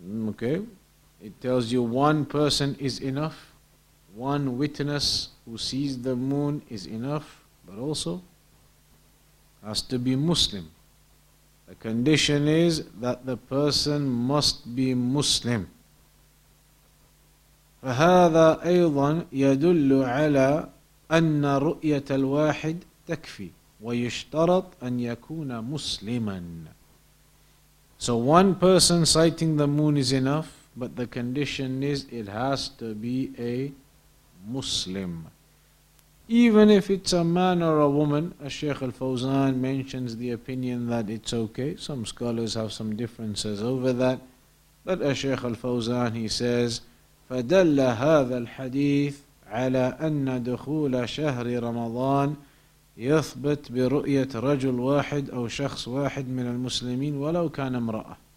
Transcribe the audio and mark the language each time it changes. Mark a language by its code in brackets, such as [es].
[en] Okay. It tells you one person is enough. One witness who sees the moon is enough. But also, has to be Muslim. The condition is that the person must be Muslim. [ar] فهذا أيضا يدل على أن رؤية الواحد تكفي ويشترط أن يكون مسلما. [en] So one person sighting the moon is enough, but the condition is it has to be a Muslim. Even if it's a man or a woman, as Sheikh Al-Fawzan mentions the opinion that it's okay. Some scholars have some differences over that. But as Sheikh Al-Fawzan, he says, [ar] فَدَلَّ هَذَا الْحَدِيثِ عَلَىٰ أَنَّ دُخُولَ شَهْرِ رَمَضَانِ يثبت برؤية رجل واحد أو شخص واحد من المسلمين ولو كان امرأة.